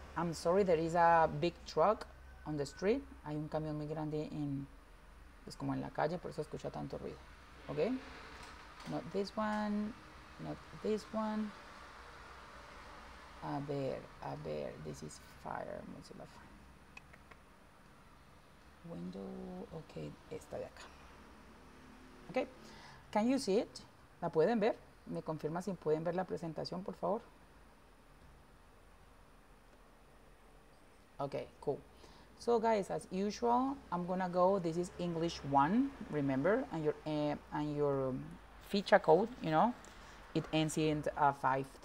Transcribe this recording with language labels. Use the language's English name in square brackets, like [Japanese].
[English] I'm sorry, there is a big truck on the street. [Spanish] Hay un camión muy grande en, es como en la calle, por eso escucha tanto ruido. [English] Okay? Not this one. Not this one. [Spanish] A ver. [English] This is fire. Mozilla fire. Window. Okay, [Spanish] esta de acá. [English] Okay. Can you see it? [Spanish] ¿La pueden ver? ¿Me confirma si pueden ver la presentación, por favor? [English] Okay, cool. So guys, as usual, I'm gonna go, this is English 1, remember, and your feature code, you know, it ends in 5-3.